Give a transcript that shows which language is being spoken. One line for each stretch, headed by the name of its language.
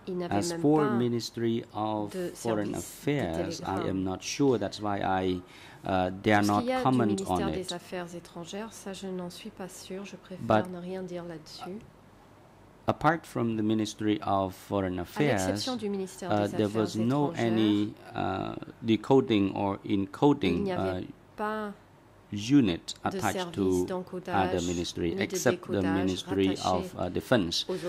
English: as for Ministry of Foreign Affairs, I am not sure. That's why I they are not comment on it.
French: Des affaires étrangères, ça je n'en suis pas sûr. Je préfère ne rien dire là-dessus.
English: Apart from the Ministry of Foreign Affairs, there was no any decoding or encoding unit attached to other ministry, except the Ministry of Defense.